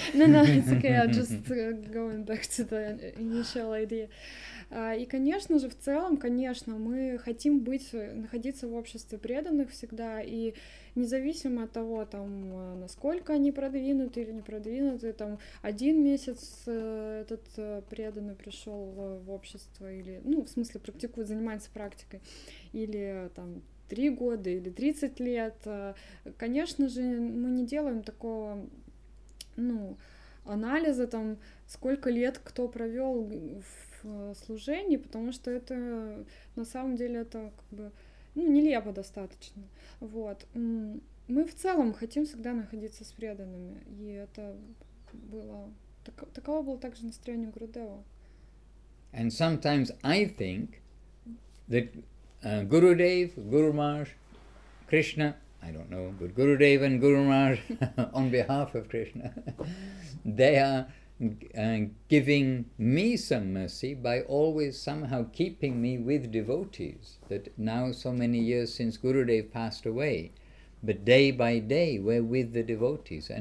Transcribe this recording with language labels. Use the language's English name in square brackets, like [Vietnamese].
[English] No, it's okay, I'm just going back to the initial idea. [Russian] И, конечно же, в целом, конечно, мы хотим находиться в обществе преданных всегда, и независимо от того, там, насколько они продвинуты или не продвинуты, там, один месяц этот преданный пришел в общество, или, в смысле, практикует, занимается практикой, или, там, 3 года или 30 лет, конечно же, мы не делаем такого, анализа, там, сколько лет кто провел в служении, потому что это, на самом деле, это как бы, нелепо достаточно, вот. Мы в целом хотим всегда находиться с преданными, и это было, таково было также настроение Гурудева. [English] And sometimes I think that Gurudev, Guru Maharaj, Krishna, I don't know, but Gurudev and Guru Maharaj on behalf of Krishna, they are giving me some mercy by always somehow keeping me with devotees, that now so many years since Gurudev passed away, but day by day we're with the devotees.